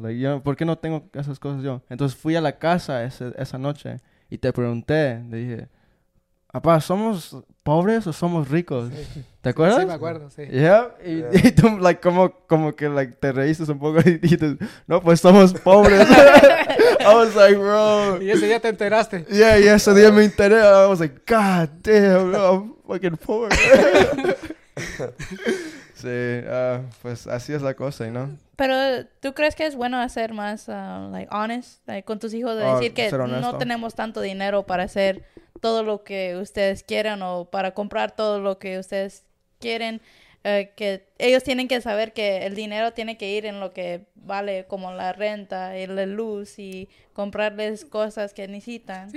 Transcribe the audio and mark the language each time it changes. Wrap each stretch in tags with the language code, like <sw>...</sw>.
<es>Like, yo, ¿por qué no tengo esas cosas yo? Entonces fui a la casa esa noche y te pregunté, le dije, papá, ¿somos pobres o somos ricos? Sí. ¿Te acuerdas? Sí, sí, me acuerdo, sí.</es> <en>Yeah.</en> <es>Y, yeah. Y tú, like, como que, like, te reíste un poco y dijiste, no, pues somos pobres.</es> <en>I was like, bro.</en> <es>Y ese día te enteraste. Yeah, y ese día me enteré.</es> <en>I was like, God damn, bro, I'm fucking poor.</en> <es>Sí, pues así es la cosa, ¿no? Pero, ¿tú crees que es bueno ser más, like, honest? Like, con tus hijos, de decir que no tenemos tanto dinero para hacer todo lo que ustedes quieran o para comprar todo lo que ustedes quieren, que ellos tienen que saber que el dinero tiene que ir en lo que vale, como la renta y la luz y comprarles cosas que necesitan.</es>